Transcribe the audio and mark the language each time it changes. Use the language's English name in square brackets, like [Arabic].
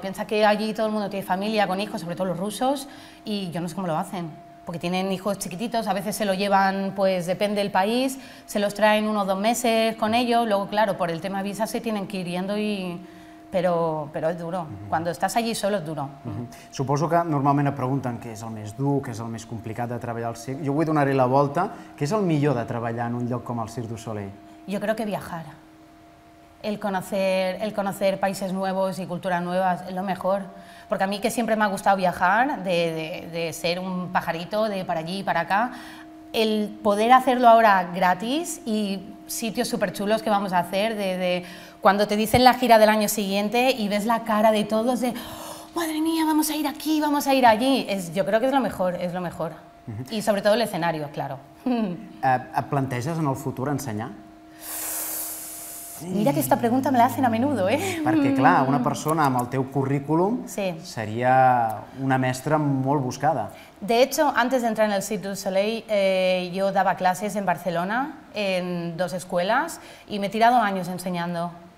[Spanish] Piensa que allí todo el mundo tiene familia, con hijos, sobre todo los rusos, y yo no sé cómo lo hacen. Porque tienen hijos chiquititos, a veces se lo llevan, pues depende del país, se los traen 1 o 2 meses con ellos, luego claro, por el tema de visa se tienen que ir yendo y... Pero es duro, cuando estás allí solo es duro. [Catalan] Suposo que normalment et pregunten què és el més dur, què és el més complicat de treballar al circ. Jo vull donar-hi la volta, què és el millor de treballar en un lloc com el Cirque du Soleil? [Spanish] Yo creo que viajar. El conocer países nuevos y culturas nuevas es lo mejor. Porque a mí que siempre me ha gustado viajar, de ser un pajarito, de para allí y para acá, el poder hacerlo ahora gratis y sitios súper chulos que vamos a hacer, de cuando te dicen la gira del año siguiente y ves la cara de todos de madre mía, vamos a ir aquí, vamos a ir allí, yo creo que es lo mejor, es lo mejor. Y sobre todo el escenario, claro. [Catalan] ¿Et planteges en el futuro ensenyar? [Spanish] Mira que esta pregunta me la hacen a menudo, ¿eh? Porque, claro, [Catalan] una persona amb el teu currículum [Spanish] sí. [Catalan] Sería una mestra molt buscada. [Spanish] De hecho, antes de entrar en el Cirque du Soleil, yo daba clases en Barcelona, en 2 escuelas, y me he tirado años enseñando.